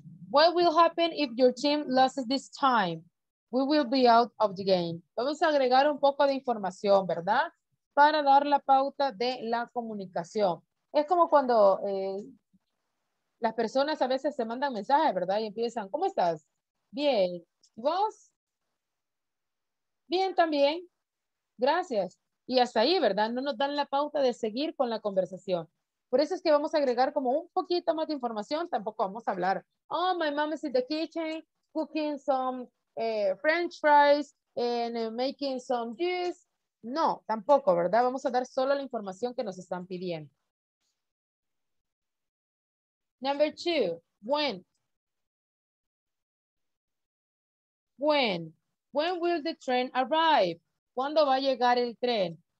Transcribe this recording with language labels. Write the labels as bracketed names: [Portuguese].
[English] What will happen if your team loses this time? We will be out of the game. [Spanish] Vamos a agregar un poco de información, ¿verdad? Para dar la pauta de la comunicación. Es como cuando las personas a veces se mandan mensajes, ¿verdad? Y empiezan, ¿cómo estás? Bien. ¿Vos? Bien también. Gracias. Y hasta ahí, ¿verdad? No nos dan la pauta de seguir con la conversación. Por eso es que vamos a agregar como un poquito más de información. Tampoco vamos a hablar, [English] oh, my mom is in the kitchen cooking some french fries and making some juice. [Spanish] No, tampoco, ¿verdad? Vamos a dar solo la información que nos están pidiendo. [English] Number two, when. When will the train arrive? [Spanish] ¿Cuándo va a llegar el tren?